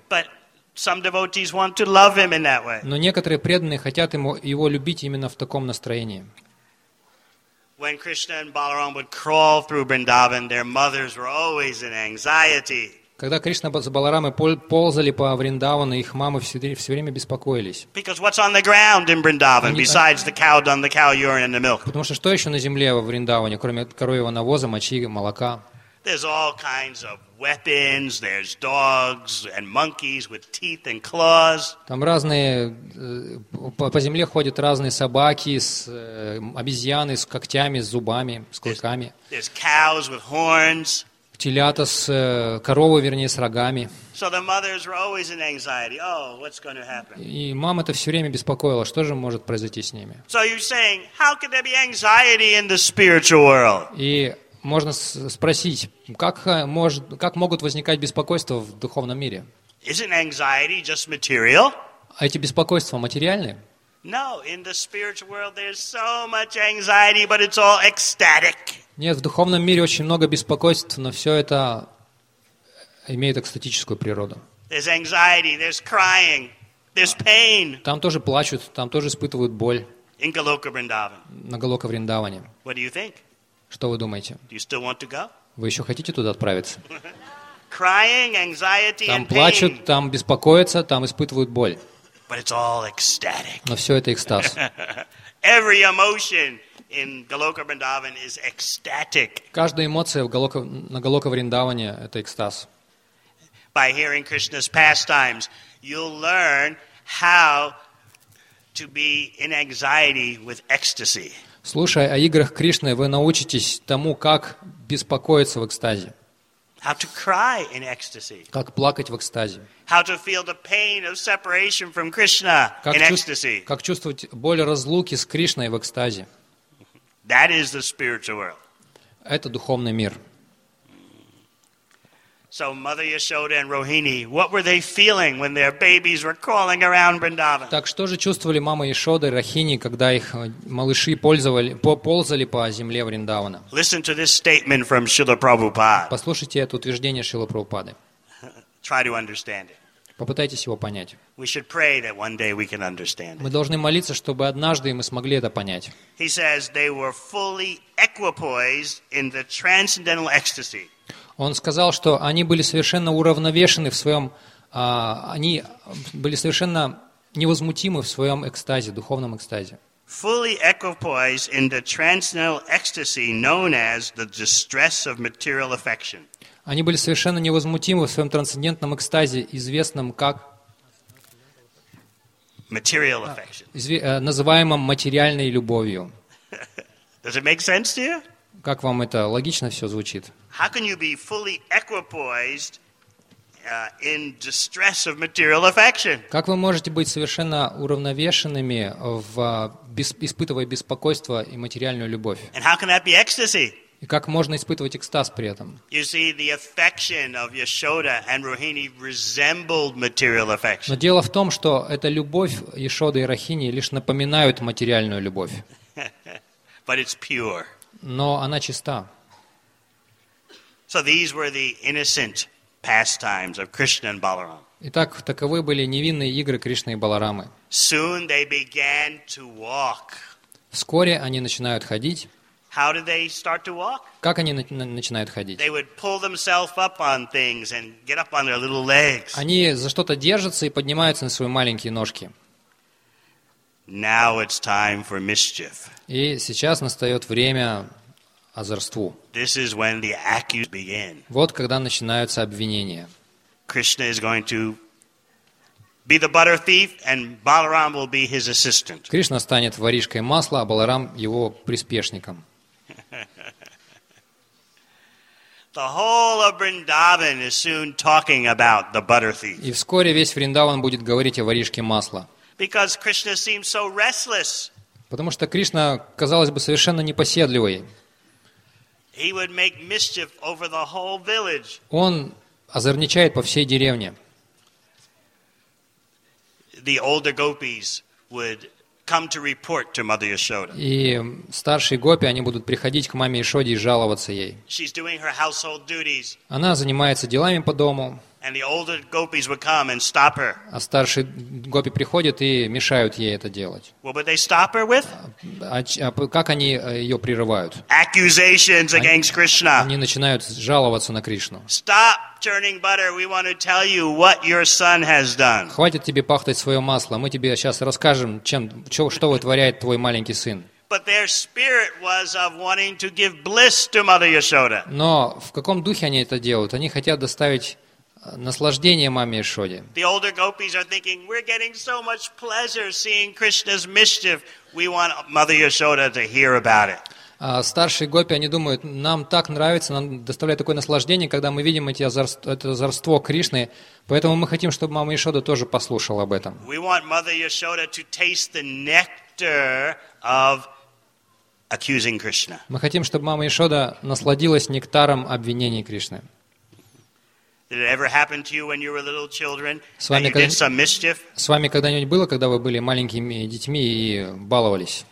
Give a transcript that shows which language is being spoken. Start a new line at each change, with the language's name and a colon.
English: But some devotees want to love him in that way.
Russian: Но некоторые преданные хотят его любить именно в таком настроении.
English: When Krishna and Balaram would crawl through Vrindavan, their mothers were always in anxiety.
Russian: Когда Кришна с Баларамой ползали по Вриндавану, их мамы все время беспокоились.
English: Because what's on the ground in Vrindavan besides the cow dung, the cow urine and the milk?
Russian: Потому что еще на земле во Вриндаване, кроме коровьего навоза, мочи, молока?
English: There's all kinds of weapons, there's dogs and monkeys with teeth and claws.
Russian: Там разные по земле ходят разные собаки с обезьяны с когтями, с зубами, с клыками.
English: There's cows with horns.
Russian: Телята с коровы, вернее, с рогами.
English: So the mothers were always in anxiety. Oh, what's going to happen?
Russian: И мама это все время беспокоила, что же может произойти с ними?
English: So you're saying, how could there be anxiety in the spiritual world?
Russian: И можно спросить, как могут возникать беспокойства в духовном мире?
English: Isn't anxiety just material?
Russian: Эти беспокойства материальны?
English: No, in the spiritual world there's so much anxiety, but it's all ecstatic.
Russian: Нет, в духовном мире очень много беспокойств, но все это имеют экстатическую природу.
English: There's anxiety, there's crying, there's pain.
Russian: Там тоже плачут, там тоже испытывают боль.
English: In Goloka Vrindavan.
Russian: На Голока Вриндаване.
English: What do you think?
Russian: Что вы думаете?
English: Do you still want to go?
Russian: Вы еще хотите туда отправиться?
English: Crying, anxiety,
Russian: там плачут,
English: pain.
Russian: Там беспокоятся, там испытывают боль.
English: But it's all ecstatic.
Russian: Но все это экстаз.
English: Every emotion in Goloka Vrindavan is ecstatic.
Russian: Каждая эмоция на Голока Вриндаване – это экстаз.
English: By hearing Krishna's pastimes, you'll learn how to be in anxiety with ecstasy.
Russian: Слушая о играх Кришны, вы научитесь тому, как беспокоиться в экстазе.
English: How to cry in ecstasy.
Russian: Как плакать в экстазе.
English: How to feel the pain of separation from Krishna in ecstasy.
Russian: Как чувствовать боль разлуки с Кришной в экстазе.
English: That is the spiritual world.
Russian: Это духовный мир.
English: So Mother Yashoda and Rohini, what were they feeling when their babies were crawling around Vrindavan?
Russian: Так что же чувствовали мама Яшода и Рахини, когда их малыши ползали по земле Вриндавана?
English: Listen to this statement from Śrīla Prabhupāda.
Russian: Послушайте это утверждение Шрилы Прабхупады.
English: Try to understand it.
Russian: Попытайтесь его понять.
English: We should pray that one day we can understand it.
Russian: Мы должны молиться, чтобы однажды мы смогли это понять.
English: He says they were fully equipoised in the transcendental ecstasy.
Russian: Он сказал, что они были совершенно уравновешены в своем, они были совершенно невозмутимы в своем экстазе, духовном экстазе.
English: Fully equipoised in the transcendental ecstasy known as the distress of material affection.
Russian: Они были совершенно невозмутимы в своем трансцендентном экстазе, известном как
English: material affection.
Russian: Называемом материальной любовью.
English: Does it make sense to you?
Russian: Как вам это логично все звучит?
English: How can you be fully equipoised in distress of material affection?
Russian: Как вы можете быть совершенно уравновешенными в испытывая беспокойство и материальную любовь?
English: And how can that be ecstasy?
Russian: И как можно испытывать экстаз при этом?
English: You see, the affection of Yashoda and Rohini resembled material affection.
Russian: Но дело в том, что эта любовь Яшоды и Рахини лишь напоминают материальную любовь.
English: But it's pure.
Russian: Но она чиста.
English: So these were the innocent pastimes of Krishna and Balaram.
Russian: Итак, таковы были невинные игры Кришны и Баларамы.
English: Soon they began to walk.
Russian: Вскоре они начинают ходить.
English: How did they start to walk?
Russian: Как они начинают ходить?
English: They would pull themselves up on things and get up on their little legs.
Russian: Они за что-то держатся и поднимаются на свои маленькие ножки.
English: Now it's time for mischief.
Russian: И сейчас настает время озорству.
English: This is when the accuse begin.
Russian: Вот когда начинаются обвинения.
English: Krishna is going to be the butter thief, and Balaram will be his assistant.
Russian: Кришна станет воришкой масла, а Баларам его приспешником.
English: The whole of Vrindavan is soon talking about the butter thief.
Russian: И вскоре весь Вриндаван будет говорить о воришке масла.
English: Because Krishna seems so restless.
Russian: Потому что Кришна казалось бы совершенно непоседливой.
English: He would make mischief over the whole village.
Russian: Он озорничает по всей деревне.
English: The older gopis would come to report to Mother Yashoda.
Russian: И старшие гопи, они будут приходить к маме Яшоде и жаловаться ей.
English: She's doing her household duties.
Russian: Она занимается делами по дому.
English: And the older gopis would come and stop her.
Russian: А старшие гопи приходят и мешают ей это делать.
English: What would they stop her with?
Russian: Как они ее прерывают?
English: Accusations against Krishna.
Russian: Они начинают жаловаться на Кришну.
English: Stop churning butter. We want to tell you what your son has done.
Russian: Хватит тебе пахтать свое масло. Мы тебе сейчас расскажем, что вытворяет твой маленький сын.
English: But their spirit was of wanting to give bliss to Mother Yashoda.
Russian: Но в каком духе они это делают? Они хотят доставить наслаждение маме Яшоде.
English: The older gopis are thinking, we're getting so much pleasure seeing Krishna's mischief. We want Mother Yashoda to hear about it.
Russian: Старшие гопи, они думают, нам так нравится, нам доставляет такое наслаждение, когда мы видим это озорство Кришны, поэтому мы хотим, чтобы мама Яшода тоже послушала об этом.
English: We want Mother Yashoda to taste the nectar of accusing Krishna.
Russian: Мы хотим, чтобы мама Яшода насладилась нектаром обвинений Кришны.
English: Did it ever happen to you when you were little children and you did some mischief?
Russian: С вами когда-нибудь было, когда вы были маленькими детьми и баловались?